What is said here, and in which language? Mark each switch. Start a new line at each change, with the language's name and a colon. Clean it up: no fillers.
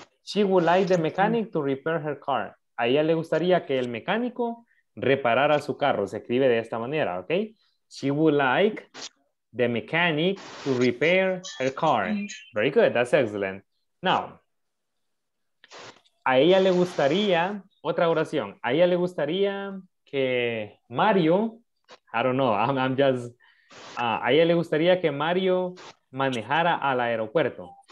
English: She would like the mechanic to repair her car.
Spanish: A ella le gustaría que el mecánico reparara su carro. Se escribe de esta manera, okay?
English: She would like the mechanic to repair her car. Very good, that's excellent. Now,
Spanish: a ella le gustaría... Otra oración. A ella le gustaría que Mario,
English: I don't know,
Spanish: a ella le gustaría que Mario manejara al aeropuerto.